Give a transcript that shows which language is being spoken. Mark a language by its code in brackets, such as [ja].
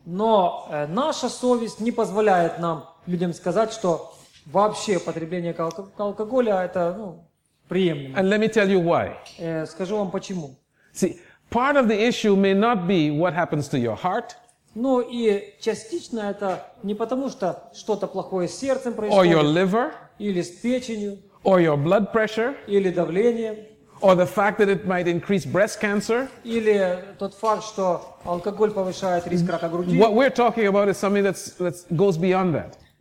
[ru] Но наша совесть не позволяет нам людям сказать, что вообще потребление алкоголя это, ну, приемлемо. [en] And let me tell you why. [ru] Скажу вам почему. [en] See, part of the issue may not be what happens to your heart. [ru] Ну и частично это не потому, что что-то плохое с сердцем происходит. [en] Or your liver. [ru] Или с печенью. [en] Or your blood pressure. [ru] Или давление. [en] Or the fact that it might increase breast cancer. [ru] Или тот факт, что алкоголь повышает риск рака груди. [en] What we're talking about is something that goes beyond that.